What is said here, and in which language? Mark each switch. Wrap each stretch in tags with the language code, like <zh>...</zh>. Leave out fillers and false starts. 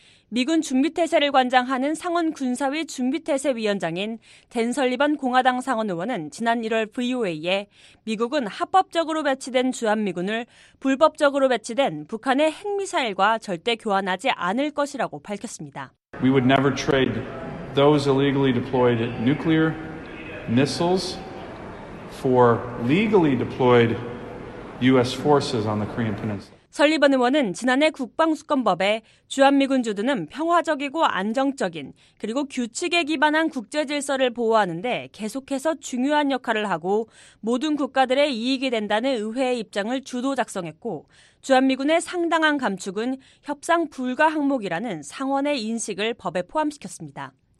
<ko>미군 준비태세를 관장하는 상원 군사위 준비태세 위원장인 댄 설리번 공화당 상원 의원은 지난 1월 VOA에 미국은 합법적으로 배치된 주한미군을 불법적으로 배치된 북한의 핵미사일과 절대 교환하지 않을 것이라고 밝혔습니다.</ko> <en>We would never trade those illegally deployed nuclear missiles for legally deployed U.S. forces on the Korean Peninsula.</en> <ko>설리번 의원은 지난해 국방수권법에 주한미군 주둔은 평화적이고 안정적인 그리고 규칙에 기반한 국제질서를 보호하는 데 계속해서 중요한 역할을 하고 모든 국가들의 이익이 된다는 의회의 입장을 주도 작성했고 주한미군의 상당한 감축은 협상 불가 항목이라는 상원의 인식을 법에 포함시켰습니다.</ko>